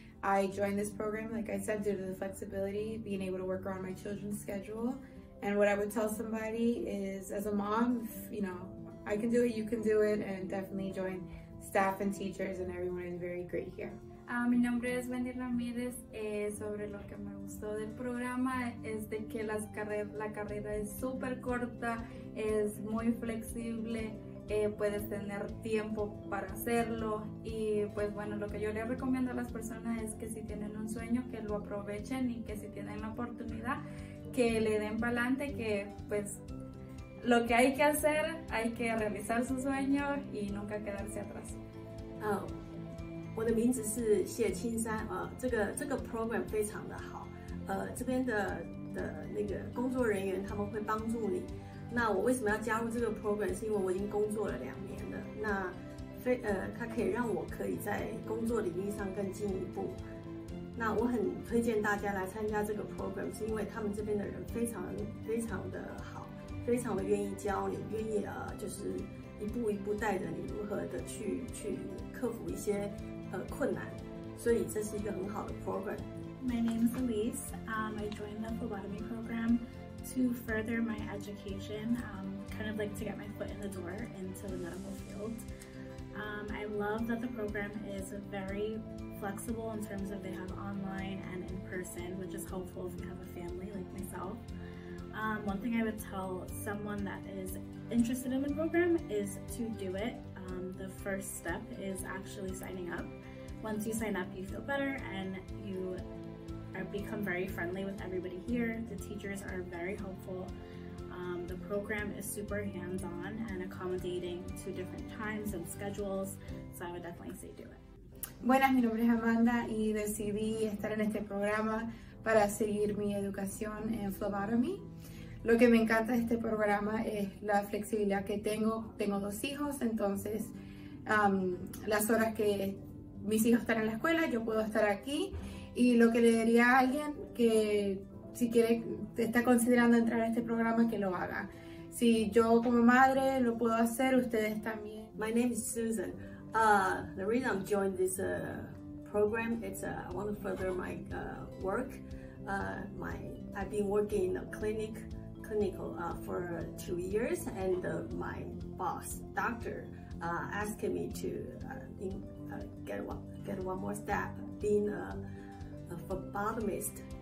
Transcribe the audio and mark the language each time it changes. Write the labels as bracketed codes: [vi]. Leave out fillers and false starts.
[en] I joined this program, like I said, due to the flexibility, being able to work around my children's schedule. And what I would tell somebody is, as a mom, if, you know, I can do it, you can do it, and definitely join. Staff and teachers and everyone is very great here. [es] Mi nombre es Wendy Ramírez. Sobre lo que me gustó del programa es de que la carrera es súper corta, es muy flexible, puedes tener tiempo para hacerlo. Y pues bueno, lo que yo le recomiendo a las personas es que si tienen un sueño, que lo aprovechen, y que si tienen la oportunidad, que le den para adelante, que pues lo que hay que hacer, hay que realizar su sueño y nunca quedarse atrás. Oh. [zh] 我的名字是谢青山， 这个program非常的好， 这边的那个工作人员， 他们会帮助你。那我为什么要加入这个program， 是因为我已经工作了两年了， 它可以让我可以在工作领域上更进一步。那我很推荐大家来参加这个program， 是因为他们这边的人非常的好， 非常的愿意教你， 愿意就是一步一步带着你如何的去克服一些 困难，所以这是一个很好的program. [en] My name is Elise. I joined the phlebotomy program to further my education, kind of like to get my foot in the door into the medical field. I love that the program is very flexible in terms of they have online and in person, which is helpful if you have a family like myself. One thing I would tell someone that is interested in the program is to do it. The first step is actually signing up. Once you sign up, you feel better and you become very friendly with everybody here. The teachers are very helpful. The program is super hands-on and accommodating to different times and schedules. So I would definitely say do it. [es] Buenas, mi nombre es Amanda y decidí estar en este programa para seguir mi educación en phlebotomy. Lo que me encanta de este programa es la flexibilidad que tengo. Tengo dos hijos, entonces las horas que mis hijos están en la escuela, yo puedo estar aquí. Y lo que le diría a alguien que si quiere, está considerando entrar a este programa, que lo haga. Si yo como madre lo puedo hacer, ustedes también. [en] My name is Susan. The reason I joined this program, it's I want to further my work. I've been working in a clinical for 2 years, and my boss doctor asked me to get one more step being a phlebotomist.